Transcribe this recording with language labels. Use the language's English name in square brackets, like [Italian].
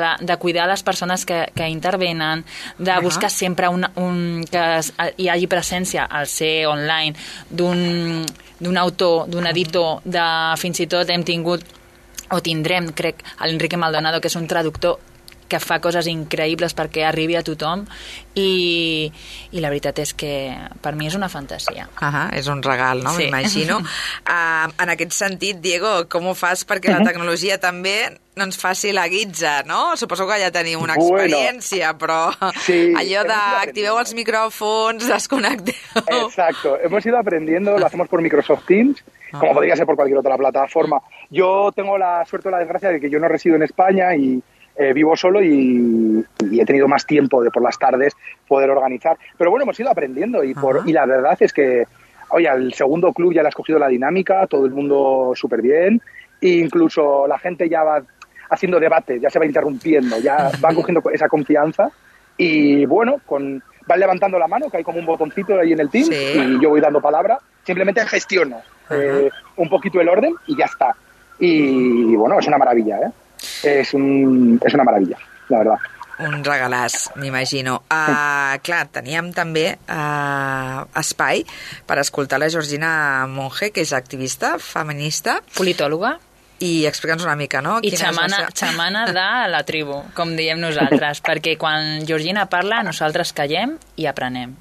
[Catalan] de cuidar les persones que intervenen, de buscar sempre que hi hagi presència al ser online d'un autor, d'un editor, de fins i tot hem tingut, o tindrem, crec, l'Enrique Maldonado, que és un traductor que fa coses increïbles perquè arribi a tothom, i la veritat és que per mi és una fantasia. És un regal, no? Sí. M'imagino. En aquest sentit, Diego, com ho fas perquè la tecnologia també no ens faci la guitza, no? Suposo que ja teniu una experiència, però sí, allò d'activeu els micròfons, desconnecteu... [Spanish] Exacto. Hemos ido aprendiendo, lo hacemos por Microsoft Teams, como podría ser por cualquier otra plataforma. Yo tengo la suerte o la desgracia de que yo no resido en España y vivo solo y he tenido más tiempo de por las tardes poder organizar. Pero bueno, hemos ido aprendiendo y la verdad es que, oye, al segundo club ya le has cogido la dinámica, todo el mundo súper bien, e incluso la gente ya va haciendo debate, ya se va interrumpiendo, ya va cogiendo esa confianza y bueno, van levantando la mano, que hay como un botoncito ahí en el team, sí. Y yo voy dando palabra, simplemente gestiono un poquito el orden y ya está. Y bueno, es una maravilla, ¿eh? [Catalan] És una meravella, [Spanish] la verdad. [Catalan] Un regalàs, m'imagino. Clar, teníem també espai per escoltar la Georgina Monge, que és activista, feminista... Politòloga. I explica'ns una mica, no? I xamana de la tribu, com diem nosaltres, perquè quan Georgina parla, nosaltres callem i aprenem.